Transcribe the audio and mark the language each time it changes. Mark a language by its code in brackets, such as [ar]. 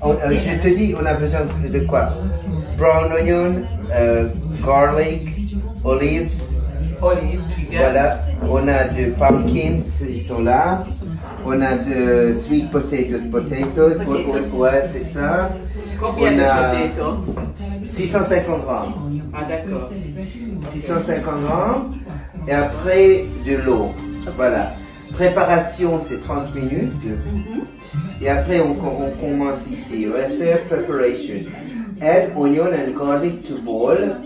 [fr] Je te dis, on a besoin de quoi? [en] Brown onion, garlic, olives. Olives. [fr] Voilà. On a de pumpkins, ils sont là. On a de sweet potatoes. Ouais, c'est ça. Combien de potatoes? 650 grammes. Ah d'accord. 650 grammes. Et après de l'eau. Voilà. Préparation, c'est 30 minutes. Et après, on commence ici. [en] Reserve preparation. Add onion and garlic to bowl.